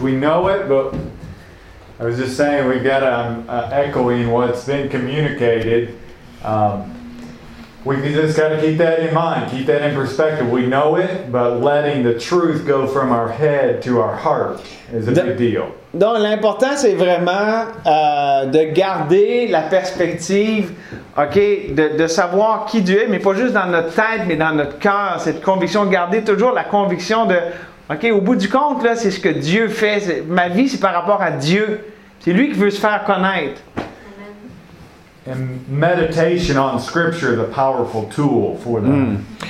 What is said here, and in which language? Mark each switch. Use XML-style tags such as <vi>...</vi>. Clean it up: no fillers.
<en>We know it, but I was just saying we've got to echoing what's been communicated. We just got to keep that in mind, keep that in perspective. We know it, but letting the truth go from our head to our heart is a big deal.</en> <fr>Donc, l'important, c'est vraiment de garder la perspective, OK, de savoir qui Dieu est, mais pas juste dans notre tête, mais dans notre cœur, cette conviction, garder toujours la conviction de, OK, au bout du compte, là, c'est ce que Dieu fait. Ma vie, c'est par rapport à Dieu. C'est lui qui veut se faire connaître.</fr> <en>And meditation on scripture, the powerful tool for them.</en>